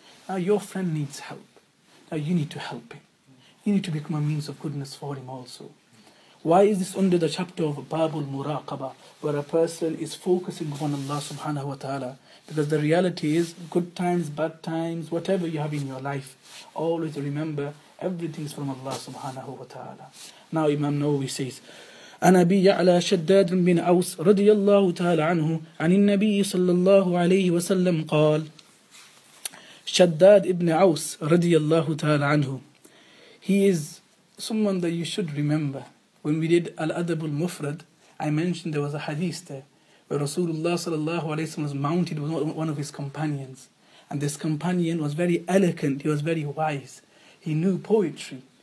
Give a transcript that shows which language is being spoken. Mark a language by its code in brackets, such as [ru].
[en] Now your friend needs help. Now you need to help him. You need to become a means of goodness for him also. Why is this under the chapter of Babul Muraqabah, where a person is focusing on Allah subhanahu wa ta'ala? Because the reality is, good times, bad times, whatever you have in your life, always remember, everything is from Allah subhanahu wa ta'ala. Now Imam Nawawi says, [ar] أنا أبي يعلى شداد بن أوس رضي الله تعالى عنه عن النبي صلى الله عليه وسلم قال شداد بن أوس رضي الله تعالى عنه. [en] He is someone that you should remember. When we did Al-Adab Al-Mufrad, I mentioned there was a hadith there where Rasulullah sallallahu alayhi wa sallam was mounted with one of his companions. And this companion was very eloquent, he was very wise. He knew poetry.